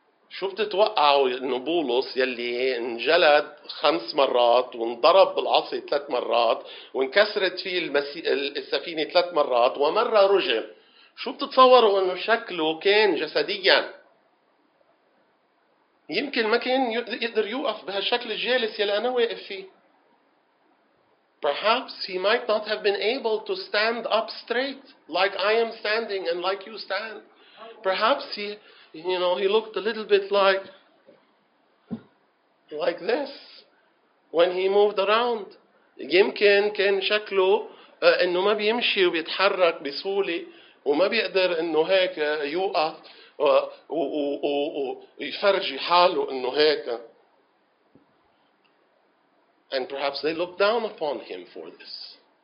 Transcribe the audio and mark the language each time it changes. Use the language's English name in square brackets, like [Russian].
[Arabic] شو بتتوقعوا انه بولس يلي انجلد خمس مرات وانضرب بالعصي ثلاث مرات وانكسرت فيه السفينة ثلاث مرات ومرة رجم شو بتتصوروا انه شكله كان جسديا يمكن ما كان يقدر يوقف بهالشكل الجالس يلي انا واقف فيه [English] Perhaps he might not have been able to stand up straight like I am standing and like you stand. Perhaps he You know, he looked a little bit like this when he moved around. [Arabic] يمكن كان شكله إنه ما بيمشي وبيتحرك بسهولة وما بيقدر إنه هيك يوقف ويفرجي حاله إنه هيك. [English] And perhaps they looked down upon him for this.